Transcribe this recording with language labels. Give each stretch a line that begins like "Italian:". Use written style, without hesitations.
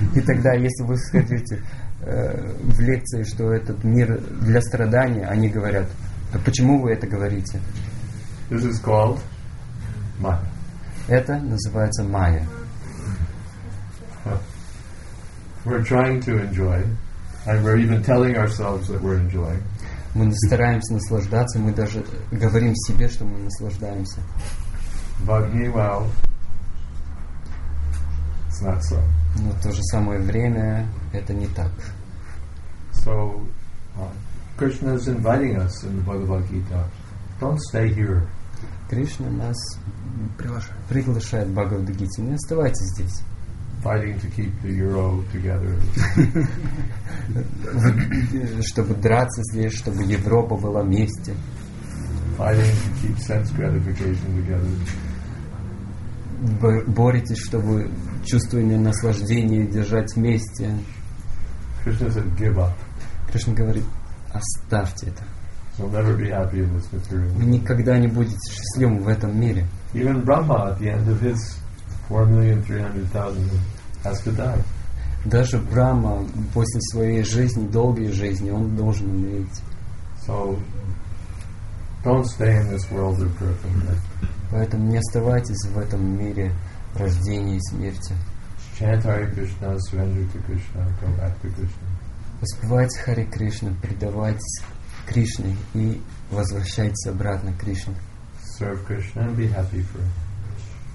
Russian: И тогда, если вы скажете в лекции, что этот мир для страдания, они говорят, то почему вы это говорите?
English: This is called Maya.
Russian: Это называется Maya.
English: We're trying to enjoy, and we're even telling ourselves that we're enjoying.
Russian: Мы стараемся наслаждаться, мы даже говорим себе, что мы наслаждаемся.
English: But meanwhile, not so.
Russian: Но в то же самое время это не так.
English: So, Krishna is inviting us in the Bhagavad Gita. Don't stay here.
Russian: Кришна нас приглашает в Бхагавад Гите. Не оставайтесь здесь.
English: Fighting to keep the euro together.
Russian: Чтобы драться здесь, чтобы Европа была вместе.
English: Fighting to keep sense gratification together.
Russian: Боритесь, чтобы чувствование наслаждения держать вместе.
English: Krishna said, give up.
Russian: Кришна говорит, оставьте это.
English: You'll never be happy in this material.
Russian: Вы никогда не будете счастливым в этом мире.
English: Even Brahma at the end of his 4,300,000 has to die.
Russian: Даже Брахма после своей жизни, долгой жизни, он должен умереть.
English: So don't stay in this world of birth and death.
Russian: Поэтому не оставайтесь в этом мире рождения и смерти.
English: Chant Hare Krishna, surrender to Krishna, go back to Krishna.
Russian: Воспевайте Харе Кришна, предавайтесь Кришне и возвращайтесь обратно к Кришне.
English: Serve Krishna and be happy forever.